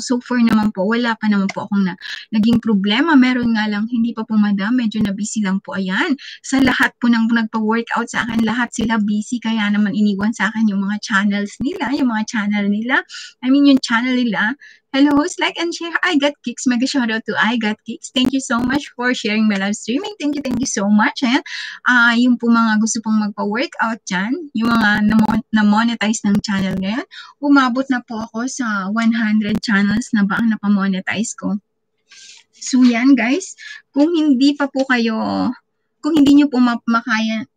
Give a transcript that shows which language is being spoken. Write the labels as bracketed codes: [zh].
[tl] So far naman po, wala pa naman po akong naging problema. Meron nga lang, hindi pa po madam, medyo na busy lang po. Ayan, sa lahat po ng nagpa-workout sa akin, lahat sila busy, kaya naman iniwan sa akin yung channel nila. [en] Hello, host, like and share. I got kicks. Mega shout out to I got kicks. Thank you so much for sharing my live streaming. Thank you so much. [tl] Ayan. Yung po mga gusto pong magpa-workout dyan, yung mga na-monetize ng channel ngayon, umabot na po ako sa 100 channels na ba ang napamonetize ko. So yan, guys. Kung hindi pa po kayo, kung hindi nyo po makaya,